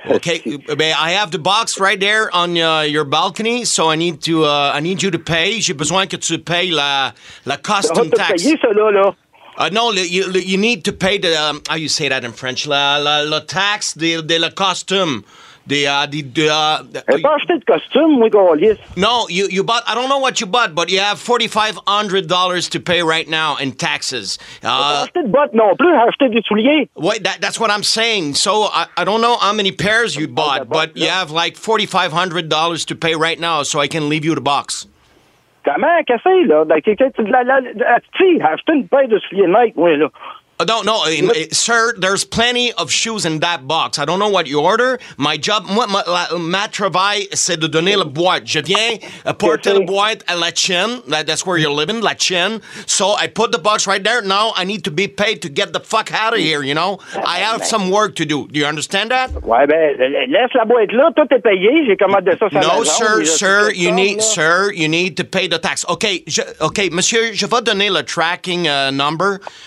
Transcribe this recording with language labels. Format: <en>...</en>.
<en>Okay, ben, I have the box right there on your balcony, so I need you to pay.</en> <fr>J'ai besoin que tu payes la custom tax. On va te payer ça, là.</fr> <en>You need to pay the, how you say that in French?</en> <fr>La tax de la costume.</fr> <en>You bought, I don't know what you bought, but you have $4,500 to pay right now in taxes. Wait, that's what I'm saying. So I don't know how many pairs you bought, but you have like $4,500 to pay right now, so I can leave you the box.</en> <fr>Comment? Qu'est-ce que c'est, là? Tu sais, acheter une paire de souliers Nike, moi, là.</fr> <en>No. Sir, there's plenty of shoes in that box. I don't know what you order. My job,</en> <fr>ma travail, c'est de donner la boîte. Je viens porter la boîte à La Chine.</fr> <en>That's where you're living, La Chine. So I put the box right there. Now I need to be paid to get the fuck out of here, you know? I have some work to do. Do you understand that?</en> <fr>Ouais, ben, laisse la boîte là. Tout est payé. J'ai commandé ça.</fr> <en>No, sir, you need to pay the tax.</en> <fr>Okay, monsieur, je vais donner le tracking number.</fr>